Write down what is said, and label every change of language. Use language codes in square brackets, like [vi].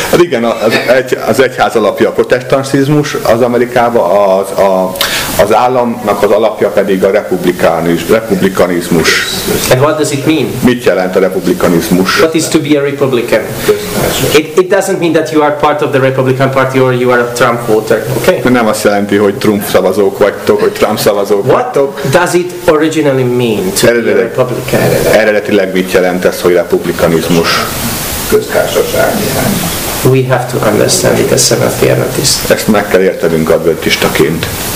[hu] Igen, az egyház alapja a protestantizmus az Amerikában, az államnak az alapja pedig a republikanizmus. [en] And what does it mean? [hu] Mit jelent a republikanizmus? [en] What is to be a republican? It doesn't mean that you are part of the Republican Party or you are a Trump voter, okay? [hu] Nem azt jelenti, hogy Trump szavazók vagytok, hogy Trump szavazók vagytok. [en] What does it originally mean to be a republican? [hu] Eredetileg mit jelent ez, hogy republikanizmus? Köztársaság. [en] We have to understand it as Seventh-day Adventist. [hu] Ezt meg kell értenünk adventistaként.